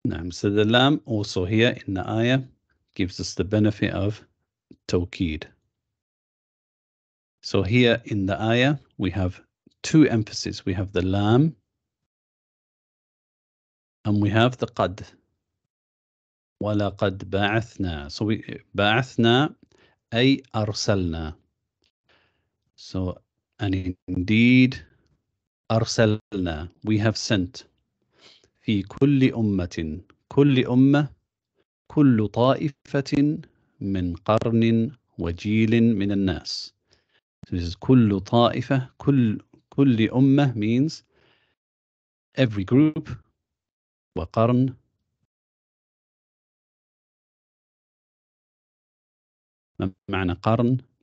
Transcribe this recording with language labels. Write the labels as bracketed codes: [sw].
[en] So the lam also here in the ayah gives us the benefit of tawkid. So here in the ayah, we have two emphases. We have the lam and we have the qad. [ar] وَلَقَدْ بَعَثْنَا. [en] So we [ar] بَعَثْنَا أي أَرْسَلْنَا. [en] So, and indeed, أَرْسَلْنَا. We have sent. [ar] فِي كُلِّ أُمَّةٍ. كل أمة كل طائفة من قرن وجيل من الناس. [en] So this is [ar] كل طائفة. كل أمة [en] means every group. [ar] وقرن معنى قرن.